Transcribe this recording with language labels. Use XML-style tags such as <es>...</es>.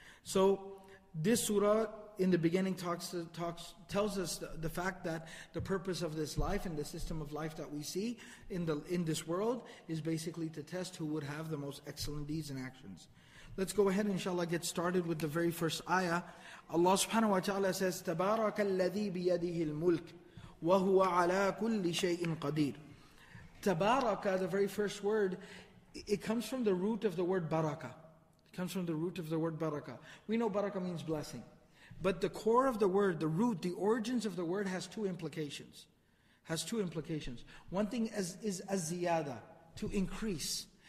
<en>So this surah in the beginning tells us the fact that the purpose of this life and the system of life that we see in this world is basically to test who would have the most excellent deeds and actions. Let's go ahead, inshallah, get started with the very first ayah. Allah subhanahu wa ta'ala says,</en> <ar>تَبَارَكَ الَّذِي بِيَدِهِ الْمُلْكِ وَهُوَ عَلَىٰ كُلِّ شَيْءٍ قَدِيرٍ.</ar> <en>تَبَارَكَ, the very first word, it comes from the root of the word barakah. It comes from the root of the word barakah. We know barakah means blessing. But the core of the word, the root, the origins of the word has two implications. Has two implications. One thing is az-ziyada, to increase.</en>